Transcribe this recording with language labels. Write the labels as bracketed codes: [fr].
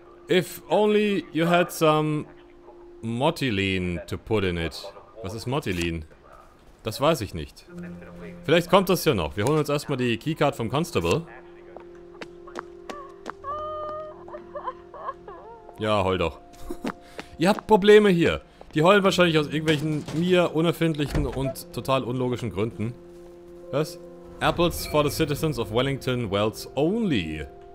[en] If only you had some Motilin to put in it. [de] Was ist Motilin? Das weiß ich nicht. Vielleicht kommt das ja noch. Wir holen uns erstmal die Keycard vom Constable. Ja, heul doch. Ihr habt Probleme hier. Die heulen wahrscheinlich aus irgendwelchen mir unerfindlichen und total unlogischen Gründen. Was? [en] Apples for the citizens of Wellington Wells only.